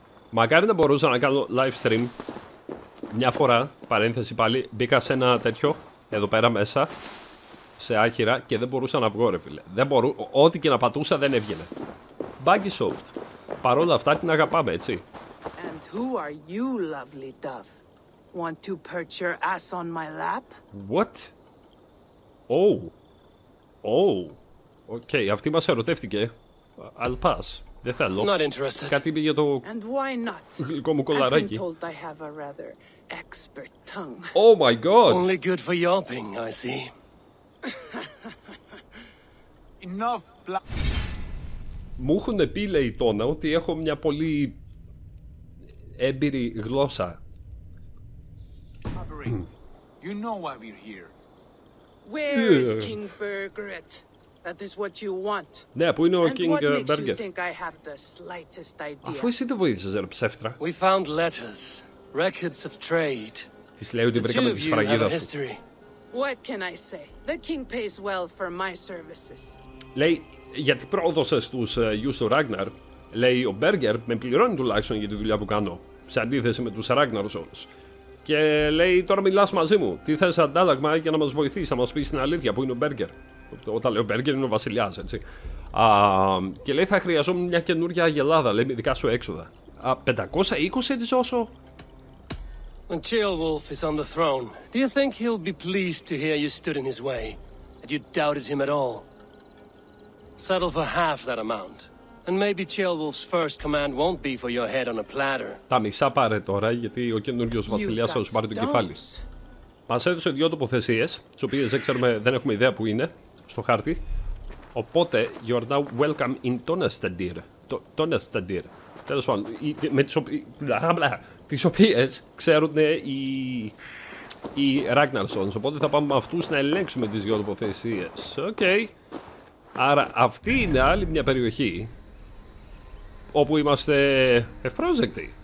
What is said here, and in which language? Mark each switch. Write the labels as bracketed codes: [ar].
[el] Μακάρι να μπορούσα να κάνω live stream. Μια φορά, παρένθεση πάλι, μπήκα σε ένα τέτοιο, εδώ πέρα μέσα, σε άχυρα, και δεν μπορούσα να βγω, ρε φίλε. Ό,τι και να πατούσα δεν έβγαινε. Bugisoft. Παρ' όλα αυτά την αγαπάμε, έτσι. [en] And who are you, lovely dove? Want to perch your ass on my lap? What? Oh. [el] Okay, αυτή μας ερωτεύτηκε. [en] I'll pass. [el] Δεν θέλω. [en] Not interested. [el] Κάτι είπε για το... [en] And why not? [el] Γλυκό μου κολαράκι. [en] I've been told I have a rather expert tongue. Oh my god! Only good for yawping, I see. Enough, black... [el] Μου έχουν πει, λέει η Τόνα, ότι έχω μια πολύ έμπειρη γλώσσα. [en] Avery, you know why we're here. Where is King Burgret? That is what you want. [el] Ναι, πού είναι ο King [en] Burgret? And what makes you think I have the slightest idea? [el] Αφού εσύ το βοήθησες, ρε ψεύτρα. [en] We found letters. records of trade. [el] Τις λέει ότι βρήκαμε τη σφραγίδα σου. [en] What can I say? The king pays well for my services. [el] Λέει, γιατί πρόδωσες τους γιους του Ragnar. Λέει, ο Μπέργκερ με πληρώνει τουλάχιστον για τη δουλειά που κάνω, σε αντίθεση με τους Ragnar Sons. Και λέει, τώρα μιλάς μαζί μου, τι θες αντάλλαγμα για να μας βοηθήσεις, να μας πεις την αλήθεια, που είναι ο Μπέργκερ. Όταν λέει ο Μπέργκερ είναι ο βασιλιάς, έτσι. Και λέει, θα χρειαζόμουν μια καινούργια αγελάδα, λέει, με δικά σου έξοδα. 520 της όσο. [en] When Cheolwulf is on the throne, do you think he'll be pleased to hear you stood in his way, that you doubted him at all? Settle for half that amount, and maybe Cheolwulf's first command won't be for your head on a platter. [el] Τα μισά πάρε τώρα, γιατί ο καινούργιος βασιλιάς θα σου πάρει το κεφάλι. Μας έδωσε δύο τοποθεσίες, τις οποίες δεν ξέρουμε, δεν έχουμε ιδέα που είναι, στο χάρτη. [en] Οπότε, you are now welcome in Tonastadir. Tonastadir. [el] Τέλος πάντων, με τις οποίες... Τις οποίες ξέρουν οι Ragnarsons, οπότε θα πάμε με αυτούς να ελέγξουμε τις δύο τοποθεσίες. Οκ. Άρα αυτή είναι άλλη μια περιοχή όπου είμαστε ευπρόσδεκτοι.